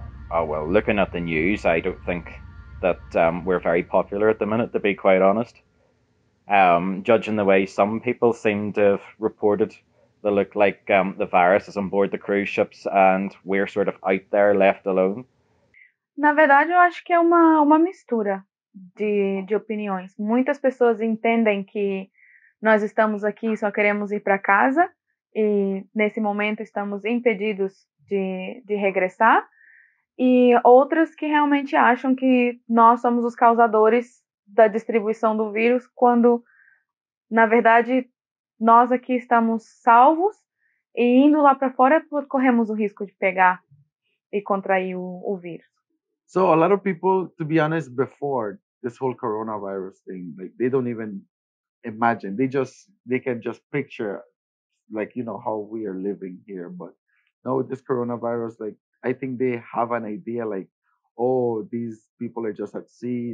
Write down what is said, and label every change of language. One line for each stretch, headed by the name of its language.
English: Oh, well, looking at the news, I don't think that we're very popular at the minute, to be quite honest. Judging the way some people seem to have reported, they look like the virus is on board the cruise ships and we're sort of out there, left alone.
Portuguese: Na verdade, eu acho que é uma mistura de opiniões. Muitas pessoas entendem que nós estamos aqui e só queremos ir para casa e nesse momento estamos impedidos de regressar. E outras que realmente acham que nós somos os causadores da distribuição do vírus, quando, na verdade, nós aqui estamos salvos e indo lá para fora, corremos o risco de pegar e contrair o vírus.
English: So, a lot of people, to be honest, before this whole coronavirus thing, like, they don't even imagine. They can just picture, like, you know, how we are living here. But now with this coronavirus, like, I think they have an idea, like, oh, these people are just at sea.